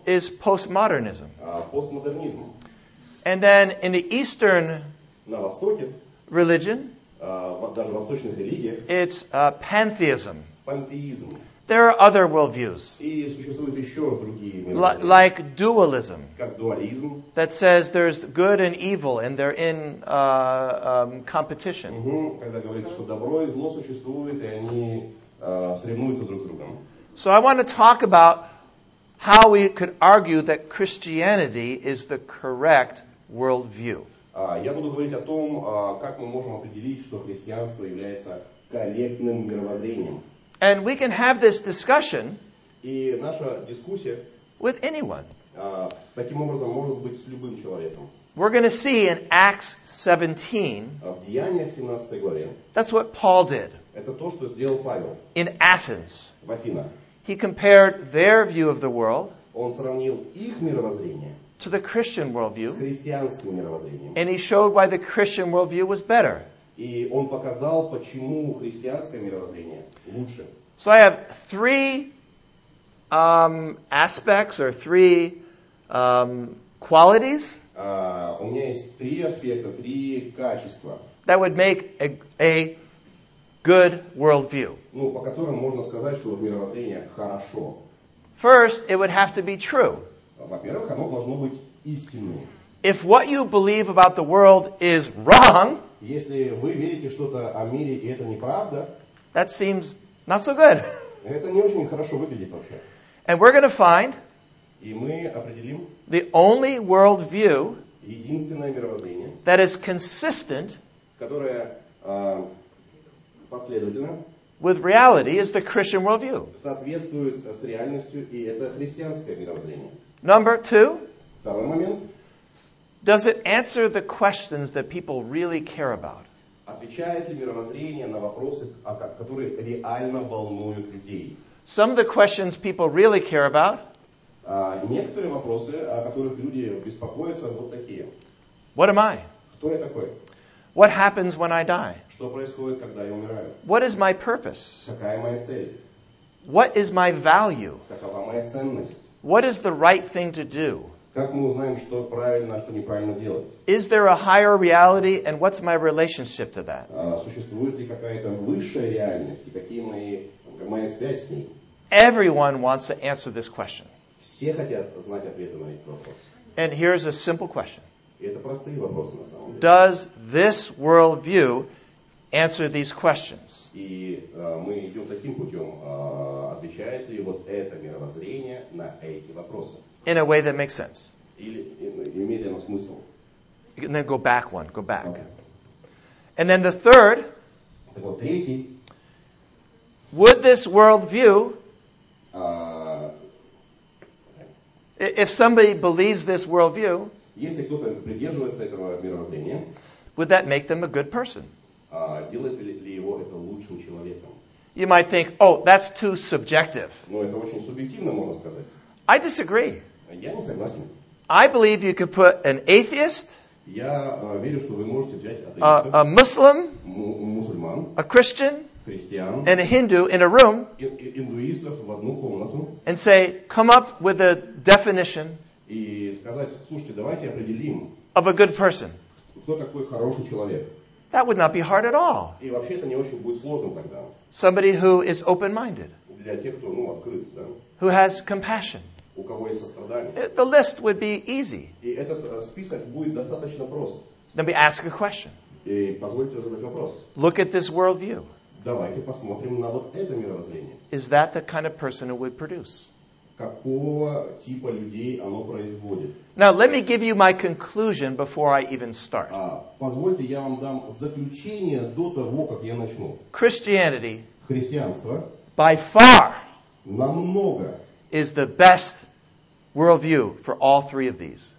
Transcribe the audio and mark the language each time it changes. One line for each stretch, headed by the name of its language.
English: Is postmodernism.
Russian: Постмодернизм.
English: And then in the Eastern.
Russian: На Востоке.
English: Religion.
Russian: Даже в восточных религиях.
English: It's pantheism.
Russian: Пантеизм.
English: There are other worldviews.
Russian: И существуют еще другие мировоззрения.
English: Like dualism.
Russian: Как дуализм.
English: That says there's good and evil and they're in competition.
Russian: Угу. Когда говорится, что добро и зло существуют, и они соревнуются друг с другом.
English: So I want to talk about how we could argue that Christianity is the correct worldview.
Russian: Я буду говорить о том, как мы можем определить, что христианство является корректным мировоззрением.
English: And we can have this discussion
Russian: и наша дискуссия
English: with anyone.
Russian: Таким образом, может быть, с любым человеком.
English: We're going to see in Acts 17,
Russian: в Деяниях 17 главе,
English: that's what Paul did.
Russian: Это то, что сделал Павел.
English: In Athens,
Russian: в Афинах.
English: He compared their view of the world
Russian: он сравнил их мировоззрение
English: to the Christian worldview,
Russian: с христианским мировоззрением.
English: And he showed why the Christian worldview was better.
Russian: И он показал, почему христианское мировоззрение лучше.
English: So I have three aspects or three qualities
Russian: у меня есть три аспекта, три качества,
English: that would make a good worldview.
Russian: Ну, по которым можно сказать, что мировоззрение хорошо.
English: First, it would have to be true.
Russian: Во-первых, оно должно быть истинным.
English: If what you believe about the world is wrong,
Russian: если вы верите что-то о мире, и это неправда,
English: that seems not so good.
Russian: Это не очень хорошо выглядит вообще.
English: And we're going to find
Russian: и мы определим
English: the only worldview,
Russian: единственное мировоззрение,
English: that is consistent,
Russian: которое последовательно,
English: with reality is the Christian worldview.
Russian: Соответствует с реальностью, и это христианское мировоззрение.
English: Number two.
Russian: Второй момент.
English: Does it answer the questions that people really care about?
Russian: Отвечает ли мировоззрение на вопросы, которые реально волнуют людей?
English: Some of the questions people really care about.
Russian: Некоторые вопросы, о которых люди беспокоятся, вот такие.
English: What am I?
Russian: Кто я такой?
English: What happens when I die?
Russian: Что происходит, когда я умираю?
English: What is my purpose?
Russian: Какая моя цель?
English: What is my value?
Russian: Какова моя ценность?
English: What is the right thing to do?
Russian: Как мы узнаем, что правильно, а что неправильно делать?
English: Is there a higher reality and what's my relationship to that?
Russian: Существует ли какая-то высшая реальность и какие мои, моя связь с ней?
English: Everyone wants to answer this question.
Russian: Все хотят знать ответы на этот вопрос.
English: And here's a simple question.
Russian: И это простые вопросы на самом деле.
English: Does this worldview answer these questions?
Russian: И мы идем таким путем. Отвечает ли вот это мировоззрение на эти вопросы?
English: In a way that makes sense.
Russian: Или имеет ли оно смысл?
English: And then go back one, go back. Okay. And then the third.
Russian: Так вот, третий.
English: Would this worldview, if somebody believes this worldview,
Russian: если кто-то придерживается этого мировоззрения,
English: would that make them a good person?
Russian: Делает ли его это лучшим человеком?
English: You might think, oh, that's too subjective.
Russian: Ну, это очень субъективно, можно сказать.
English: I disagree.
Russian: Я не согласен.
English: I believe you could put an atheist,
Russian: я верю, что вы можете взять атеиста,
English: a Muslim,
Russian: мусульман,
English: a Christian,
Russian: христиан,
English: and a Hindu in a room,
Russian: индуистов в одну комнату,
English: and say, come up with a definition,
Russian: и сказать, слушайте, давайте определим,
English: of a good person.
Russian: Кто такой хороший человек?
English: That would not be hard at all.
Russian: И вообще-то не очень будет сложным тогда.
English: Somebody who is open-minded.
Russian: Для тех, кто, ну, открыт, да?
English: Who has compassion.
Russian: У кого есть сострадание.
English: The list would be easy.
Russian: И этот список будет достаточно прост.
English: Then we ask a question.
Russian: И позвольте задать вопрос.
English: Look at this worldview.
Russian: Давайте посмотрим на вот это мировоззрение.
English: Is that the kind of person it would produce?
Russian: Какого типа людей оно производит?
English: Now, let me give you my conclusion before I even start.
Russian: Позвольте, я вам дам заключение до того, как я начну.
English: Christianity,
Russian: христианство,
English: by far,
Russian: намного,
English: is the best worldview for all three of these.